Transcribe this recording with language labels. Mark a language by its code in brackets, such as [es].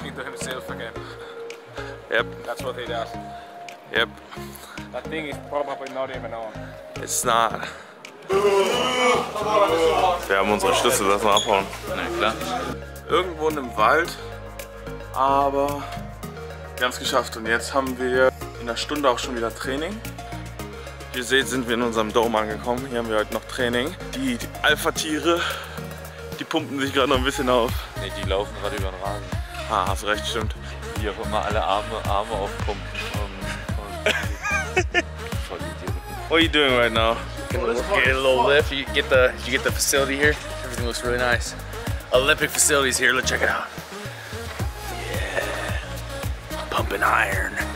[en] He's talking to himself again. Yep. That's what he does. Yep. That thing is probably not even on. It's not. [de] Wir haben unsere Schlüssel, lass mal abhauen. Na klar. Irgendwo in einem Wald, aber wir haben es geschafft und jetzt haben wir in einer Stunde auch schon wieder Training. Wie ihr seht, sind wir in unserem Dome angekommen. Hier haben wir heute noch Training. Die Alpha-Tiere, die pumpen sich gerade noch ein bisschen auf. Nee, die laufen gerade über den Rasen. Ah, hast recht, stimmt. Wie auch immer, alle Arme aufpumpen. Voll Idioten. [en] What are you doing right now? Get a little lift. You get the facility here. Everything looks really nice. Olympic facilities here. Let's check it out. Yeah, I'm pumping iron.